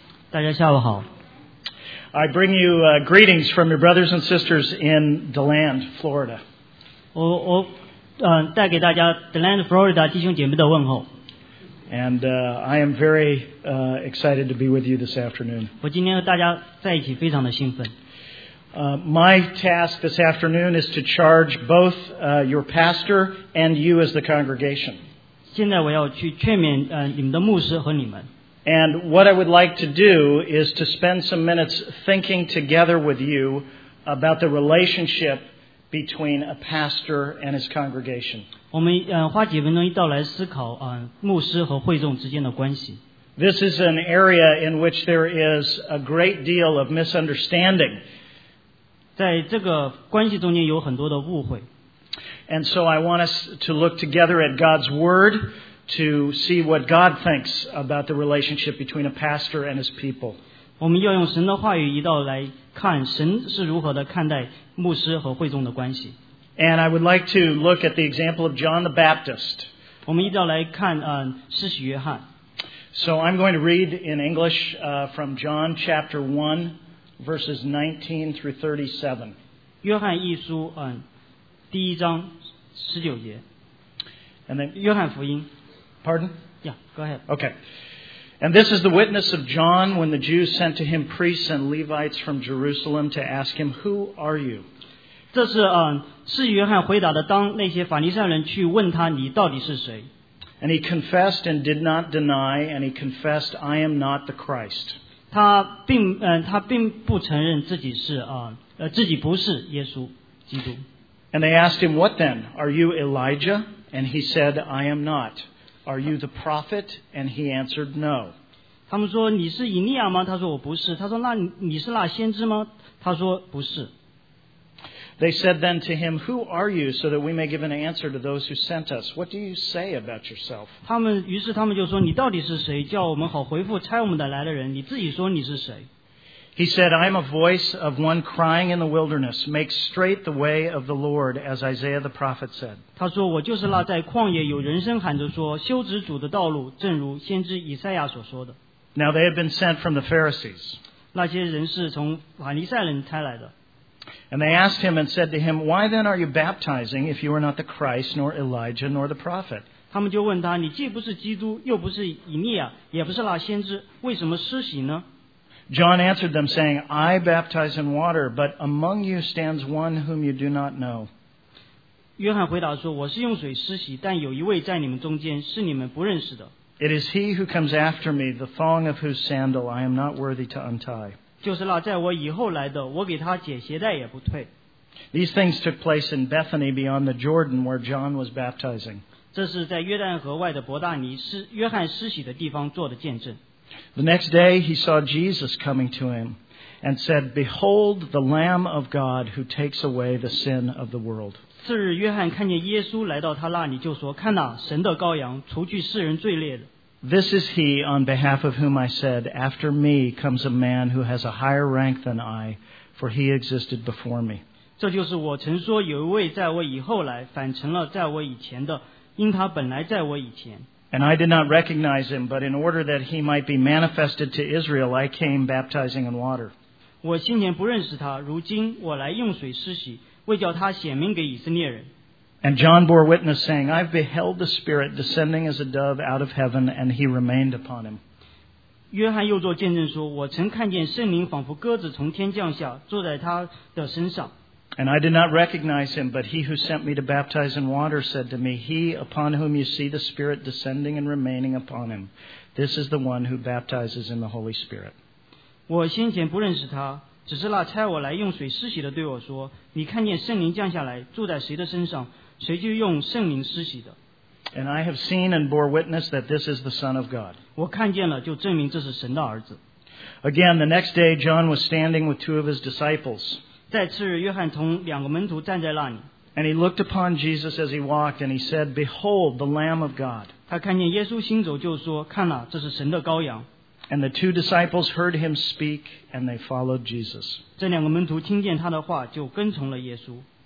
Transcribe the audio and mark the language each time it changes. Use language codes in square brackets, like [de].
[zh] 大家下午好。 [en] I bring you greetings from your brothers and sisters in DeLand, Florida. [zh] 我带给大家 DeLand, Florida 弟兄姐妹的问候。 [en] And I am very excited to be with you this afternoon. [zh] 我今天和大家在一起非常的兴奋。 [en] My task this afternoon is to charge both your pastor and you as the congregation. [zh] 现在我要去劝勉你们的牧师和你们。 [en] And what I would like to do is to spend some minutes thinking together with you about the relationship between a pastor and his congregation. [zh] 我们花几分钟一道来思考牧师和会众之间的关系。 [en] This is an area in which there is a great deal of misunderstanding. [zh] 在这个关系中间有很多的误会。 [en] And so I want us to look together at God's word. To see what God thinks about the relationship between a pastor and his people. [zh] 我们要用神的话语一道来看神是如何的看待牧师和会众的关系。 [en] And I would like to look at the example of John the Baptist. [zh] 我们一道来看施洗约翰。 [en] So I'm going to read in English from John chapter 1, verses 19 through 37. [zh] 约翰一书第一章十九节。 [en] And then [zh] 约翰福音。 [en] Pardon? Yeah, go ahead. Okay. And this is the witness of John when the Jews sent to him priests and Levites from Jerusalem to ask him, Who are you? [zh] 这是施约翰回答的当那些法利赛人去问他你到底是谁。 [en] And he confessed and did not deny, and he confessed, I am not the Christ. [zh] 他并不承认自己不是耶稣基督。 [en] And they asked him, What then? Are you Elijah? And he said, I am not. Are you the prophet? And he answered, no. [zh] 他们说你是以利亚吗？他说我不是。他说那你是那先知吗？他说不是。 [en] They said then to him, who are you so that we may give an answer to those who sent us? What do you say about yourself? [zh] 于是他们就说你到底是谁？叫我们好回复差我们的来的人。你自己说你是谁。 [en] He said, I am a voice of one crying in the wilderness. Make straight the way of the Lord, as Isaiah the prophet said. [zh] 他说，我就是那在旷野有人声喊着说，修直主的道路，正如先知以赛亚所说的。 [en] Now they had been sent from the Pharisees. [zh] 那些人是从法利赛人差来的。 [en] And they asked him and said to him, Why then are you baptizing if you are not the Christ, nor Elijah, nor the prophet? [zh] 他们就问他，你既不是基督，又不是以利亚，也不是那先知，为什么施洗呢？ [en] John answered them, saying, I baptize in water, but among you stands one whom you do not know. [zh] 约翰回答说，我是用水施洗，但有一位在你们中间是你们不认识的。 [en] It is he who comes after me, the thong of whose sandal I am not worthy to untie. [zh] 就是那在我以后来的，我给他解鞋带也不退。 [en] These things took place in Bethany beyond the Jordan where John was baptizing. [zh] 这是在约旦河外的伯大尼，约翰施洗的地方做的见证。 [en] The next day he saw Jesus coming to him and said, Behold the Lamb of God who takes away the sin of the world. [zh] 次日约翰看见耶稣来到他那里就说看哪神的羔羊除去世人罪孽的。 [en] This is he on behalf of whom I said, After me comes a man who has a higher rank than I, for he existed before me. [zh] 这就是我曾说有一位在我以后来反成了在我以前的因他本来在我以前。 [en] And I did not recognize him, but in order that he might be manifested to Israel, I came baptizing in water. [zh] 我先前不认识他，如今我来用水施洗，为叫他显明给以色列人。 [en] And John bore witness, saying, I've beheld the Spirit descending as a dove out of heaven, and he remained upon him. [zh] 约翰又作见证说，我曾看见圣灵仿佛鸽子从天降下，坐在他的身上。 [en] And I did not recognize him, but he who sent me to baptize in water said to me, He upon whom you see the Spirit descending and remaining upon him, this is the one who baptizes in the Holy Spirit. [zh] 我先前不认识他，只是那差我来用水施洗的对我说，你看见圣灵降下来，住在谁的身上，谁就用圣灵施洗的。 [en] And I have seen and bore witness that this is the Son of God. [zh] 我看见了，就证明这是神的儿子。 [en] Again, the next day, John was standing with two of his disciples. [zh] 再次约翰同两个门徒站在那里。 [en] And he looked upon Jesus as he walked, and he said, Behold, the Lamb of God. [zh] 他看见耶稣行走就说，看哪，这是神的羔羊。 [en] And the two disciples heard him speak, and they followed Jesus. [zh] 这两个门徒听见他的话，就跟从了耶稣。